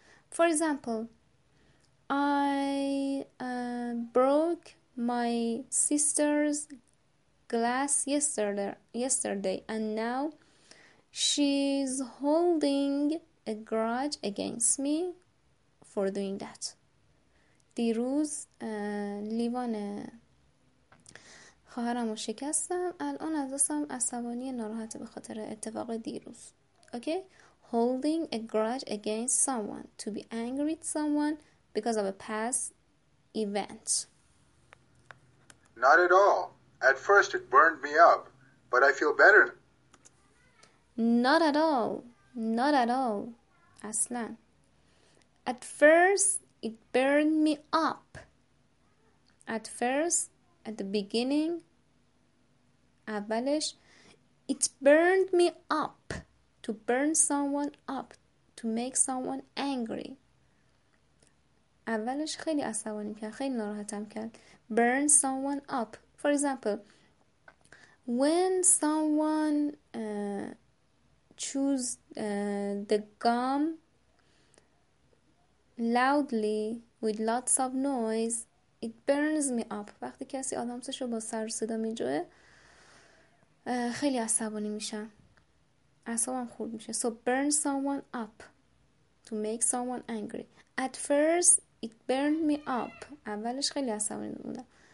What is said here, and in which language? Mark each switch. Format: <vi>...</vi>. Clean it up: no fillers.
<en>For example, I broke my sister's glass yesterday and now she's holding a grudge against me for doing that.</en> <fa>دیروز لیوان خواهرم رو شکستم، الان از دستم عصبانی ناراحت به خاطر اتفاق دیروز.</fa> <en>Okay, holding a grudge against someone, to be angry at someone because of a past event. Not at all. At first it burned me up, but I feel better. Not at all. Not at all. Aslan. At first it burned me up. At first, at the beginning,</en> <fa>اولش,</fa> <en>it burned me up. To burn someone up, to make someone angry.</en> <fa>اولش خیلی عصبانی کرد، خیلی ناراحتم کرد.</fa> <en>Burn someone up. For example, when someone chews the gum loudly with lots of noise, it burns me up.</en> <fa>وقتی کسی آدامسش رو با سر صدا میجوه خیلی عصبانی میشم، اعصابم خورد میشه.</fa> <en>So burn someone up, to make someone angry. At first it burned me up.</en> <fa>اولش خیلی عصبانی بودم.</fa>